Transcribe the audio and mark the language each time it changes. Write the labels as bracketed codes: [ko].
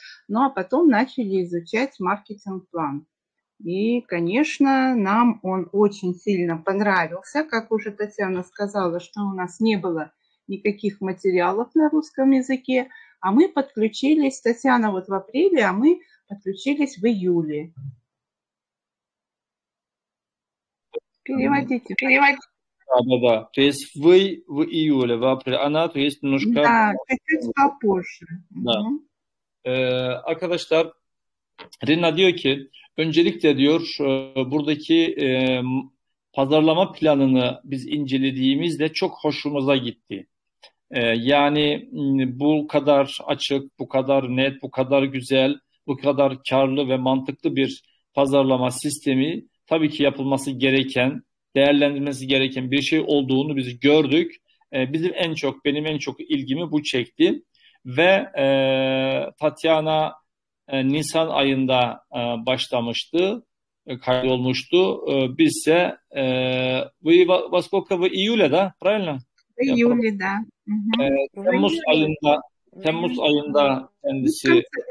[ru] Ну, а потом начали изучать маркетинг-план. И, конечно, нам он очень сильно понравился, как уже Татьяна сказала, что у нас не было никаких материалов на русском языке, а мы подключились, Татьяна вот в апреле, а мы подключились в июле. Переводите. Да, да, да. То есть вы в июле, в апреле. Она, то есть немножко... Да, чуть-чуть попозже. Да. [tr] Arkadaşlar, Rina diyor ki, öncelikle diyor, buradaki pazarlama planını biz incelediğimizde çok hoşumuza gitti. Yani bu kadar açık, bu kadar net, bu kadar güzel, bu kadar karlı ve mantıklı bir pazarlama sistemi tabii ki yapılması gereken, değerlendirmesi gereken bir şey olduğunu biz gördük. Bizim en çok, benim en çok ilgimi bu çekti. Ve Tatiana Nisan ayında başlamıştı, kaydolmuştu. Biz ise, [ru] во сколько вы июля, да? Правильно? В июле, да. [tr] Temmuz ayında, Temmuz ayında kendisi...